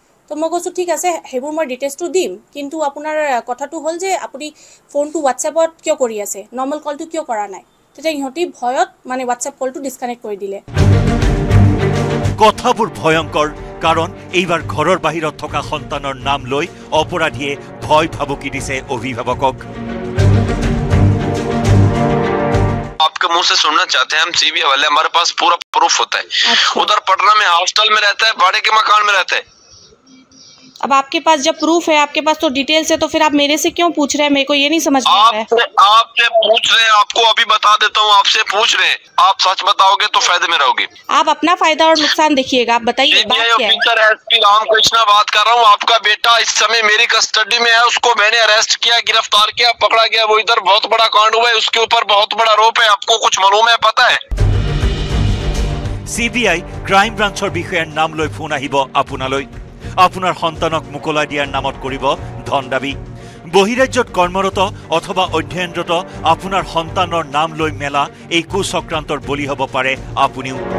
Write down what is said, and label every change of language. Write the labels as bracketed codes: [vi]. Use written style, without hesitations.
[as] তো মই কৈছোঁ ঠিক আছে, সেইবোৰ মই ডিটেইলছটো দিম, কিন্তু আপোনাৰ কথাটো হ'ল যে আপুনি ফোনটো হোৱাটছএপত কিয় কৰি আছে, নৰ্মেল কলটো কিয় কৰা নাই। তেতিয়া ইহঁতি ভয়ত মানে হোৱাটছএপ কলটো ডিছকানেক্ট কৰি দিলে। কথাবোৰ ভয়ংকৰ, কাৰণ এইবাৰ ঘৰৰ বাহিৰত থকা সন্তানৰ নাম লৈ অপৰাধীয়ে ভয় ভাবুকি দিছে অভিভাৱকক। [hi] आपके मुंह से सुनना चाहते हैं हम, सीबीआई वाले, हमारे पास पूरा प्रूफ होता है। अच्छा। उधर पटना में हॉस्टल में रहता है, भाड़े के मकान में रहता है। अब आपके पास जब प्रूफ है, आपके पास तो डिटेल्स है, तो फिर आप मेरे से क्यों पूछ रहे हैं? मेरे को ये नहीं समझ आप में आपसे पूछ रहे हैं, आपको अभी बता देता हूँ, आपसे पूछ रहे हैं। आप सच बताओगे तो फायदे में रहोगे। आप अपना फायदा और नुकसान देखिएगा, आप बताइए। ऑफिसर एसपी रामकृष्ण बात कर रहा हूँ, आपका बेटा इस समय मेरी कस्टडी में है, उसको मैंने अरेस्ट किया, गिरफ्तार किया, पकड़ा गया, वो इधर बहुत बड़ा कांड हुआ है, उसके ऊपर बहुत बड़ा आरोप है, आपको कुछ मालूम है, पता है? [as] सीबीआई क्राइम ब्रांचर विषयार नाम लो फोन आपनालो, আপোনাৰ সন্তানক মুকলাই দিয়াৰ নামত কৰিব ধন দাবী। বহিৰাজ্যত কৰ্মৰত অথবা অধ্যয়নৰত আপোনাৰ সন্তানৰ নাম লৈ মেলা এই কুচক্ৰান্তৰ বলি হ'ব পাৰে আপুনিও।